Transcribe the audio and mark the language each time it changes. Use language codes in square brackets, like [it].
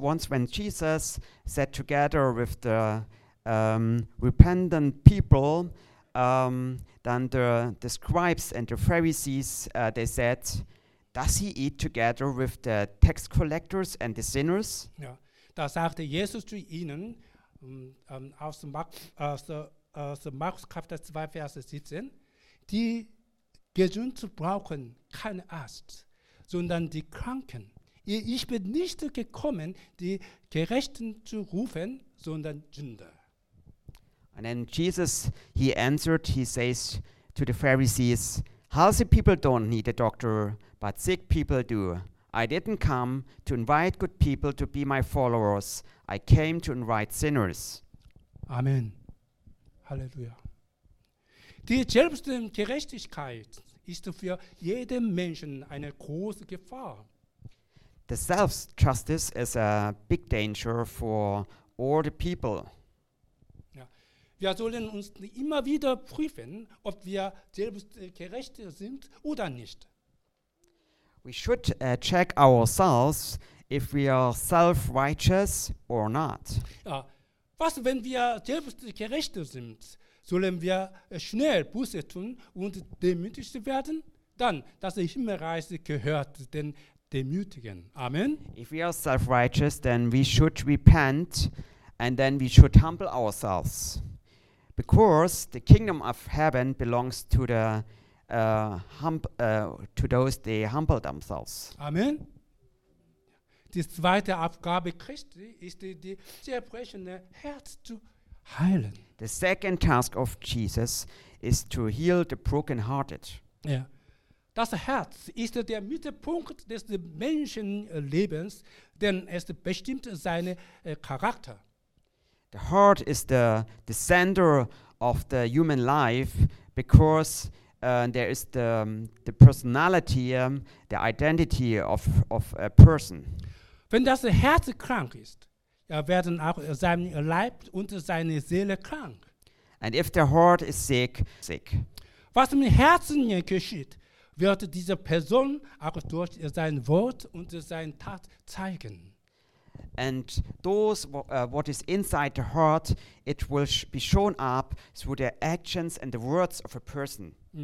[en] When Jesus sat together with the repentant people, then the scribes and the Pharisees, they said, does he eat together with the tax collectors and the sinners? [de] Ja, da sagte Jesus zu ihnen aus Markus Kapitel 2, Vers 17, die gesund brauchen keinen Arzt, sondern die Kranken. Ich bin nicht gekommen, die Gerechten zu rufen, sondern Sünder. [en] And then Jesus, he answered, he says to the Pharisees, healthy people don't need a doctor, but sick people do. I didn't come to invite good people to be my followers. I came to invite sinners. Amen. Halleluja. [de] Die Selbstgerechtigkeit ist für jeden Menschen eine große Gefahr. [en] The self-justice is a big danger for all the people. [de] Wir sollen uns immer wieder prüfen, ob wir selbst gerecht sind oder nicht. [en] We should check ourselves if we are self-righteous or not. [de] Ja. Was, wenn wir selbst gerecht sind? Sollen wir schnell Buße tun und demütig werden? Dann, das Himmelreich gehört den Demütigen. Amen. [en] If we are self-righteous, then we should repent and then we should humble ourselves. Because the kingdom of heaven belongs to the to those they humble themselves. Amen. [de] Die zweite Aufgabe Christi ist die zerbrechene Herz zu heilen. [en] The second task of Jesus is to heal the broken hearted. Ja. [de] Das Herz ist der Mittelpunkt des Menschenlebens, denn es bestimmt seinen Charakter. [en] The heart is the center of the human life because there is the personality, the identity of a person. [de] Wenn das Herz krank ist, werden auch sein Leib und seine Seele krank. [en] And if their heart is sick. [de] Was im Herzen geschieht, wird diese Person auch durch sein Wort und seine Tat zeigen. [en] And those what is inside the heart, it will be shown up through the actions and the words of a person.